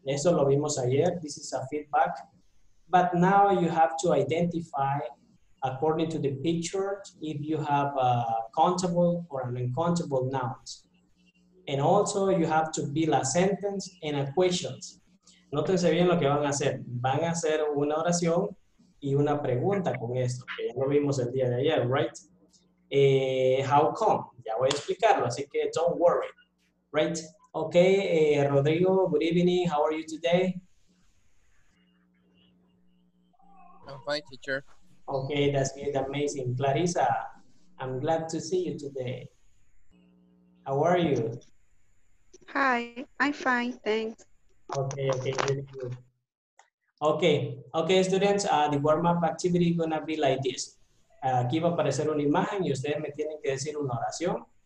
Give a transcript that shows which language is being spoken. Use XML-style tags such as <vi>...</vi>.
<es>Eso lo vimos ayer.</es> <en>This is a feedback. But now you have to identify according to the picture if you have a countable or an uncountable noun. And also you have to build a sentence and a question.</en> <es>Nótense bien lo que van a hacer. Van a hacer una oración y una pregunta con esto, que ya lo vimos el día de ayer, right?</es> <en>How come?</en> <es>Ya voy a explicarlo, así que</es> <en>don't worry, right? Okay, Rodrigo, good evening. How are you today? I'm fine, teacher. Okay, that's good, amazing. Clarissa, I'm glad to see you today. How are you? Hi, I'm fine, thanks. Okay, okay, really good. Okay, okay, students, the warm-up activity is gonna be like this.</en> <es>Aquí va a aparecer una imagen y ustedes me tienen que decir una oración.</es>